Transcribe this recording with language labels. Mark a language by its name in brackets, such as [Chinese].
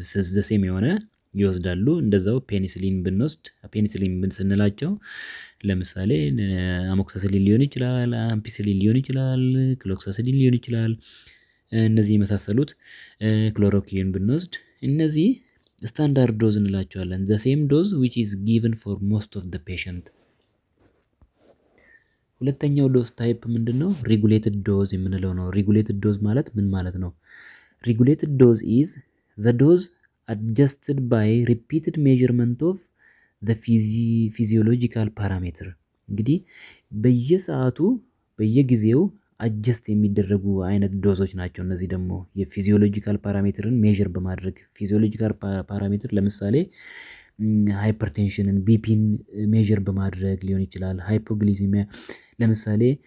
[Amharic] ዘሴም የሆነ ይወስዳሉ። እንደዛው ፔኒስሊን ብንወስድ ፔኒስሊን ብንስንላቸው ለምሳሌ አሞክሳሲሊን ሊሆን ይችላል፣ አምፒሲሊን ሊሆን ይችላል፣ ክሎክሳሲሊን ሊሆን ይችላል። እነዚህ የመሳሰሉት ክሎሮኪን ብንወስድ እነዚህ ስታንዳርድ ዶዝ እንላቸዋለን። [English] ዘሴም ዶዝ ዊች ኢዝ ጊቨን ፎር ሞስት ኦፍ ዘ ፔሸንት። [Amharic] ሁለተኛው ዶዝ ታይፕ ምንድን ነው? ሪጉሌትድ ዶዝ የምንለው ነው። ሪጉሌትድ ዶዝ ማለት ምን ማለት ነው? [English] ሪጉሌትድ ዶዝ ኢዝ the dose adjusted by repeated measurement of the physiological parameter. [Amharic] እንግዲህ በየሰዓቱ በየጊዜው አጀስት የሚደረጉ አይነት ዶዞች ናቸው። እነዚህ ደግሞ የፊዚዮሎጂካል ፓራሜትርን ሜዥር በማድረግ ፊዚዮሎጂካል ፓራሜትር ለምሳሌ ሃይፐርቴንሽንን ቢፒን ሜዥር በማድረግ ሊሆን ይችላል። ሃይፖግሊሲሚያ ለምሳሌ